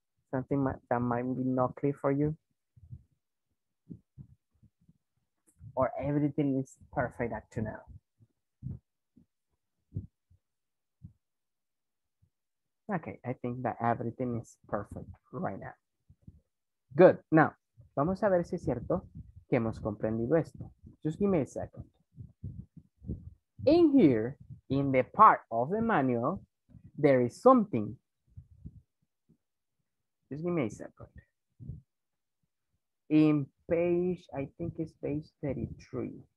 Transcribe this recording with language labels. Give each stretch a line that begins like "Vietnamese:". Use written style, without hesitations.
English: Something that might be not clear for you? Or everything is perfect up to now. Okay, I think that everything is perfect right now. Good.
Spanish: Now, vamos a ver si es cierto que hemos comprendido esto.
English: Just give me a second. In here, in the part of the manual, there is something. Just give me a second. In page, I think it's page 33.